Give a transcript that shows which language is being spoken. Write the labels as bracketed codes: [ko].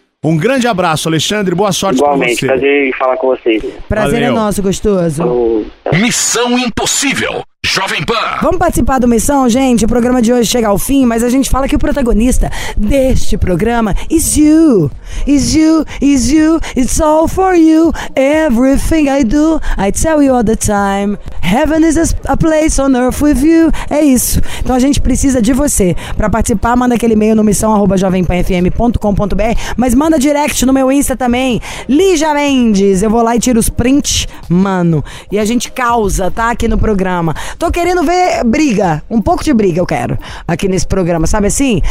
[pt] Um grande abraço, Alexandre, boa sorte. Igualmente, pra você. Igualmente, prazer em falar com vocês. Prazer. Valeu. É nosso, gostoso. Missão Impossível, Jovem Pan. Vamos participar do Missão, gente? O programa de hoje chega ao fim, mas a gente fala que o protagonista deste programa [en] is you. Is you, is you, it's all for you. Everything I do, I tell you all the time. Heaven is a place on earth with you. [pt] É isso. Então a gente precisa de você. Pra participar, manda aquele e-mail no missão@jovempanfm.com.br. Mas manda direct no meu Insta também. Lígia Mendes. Eu vou lá e tiro os prints, mano. E a gente causa, tá? Aqui no programa. Tô querendo ver briga. Um pouco de briga eu quero aqui nesse programa, sabe assim?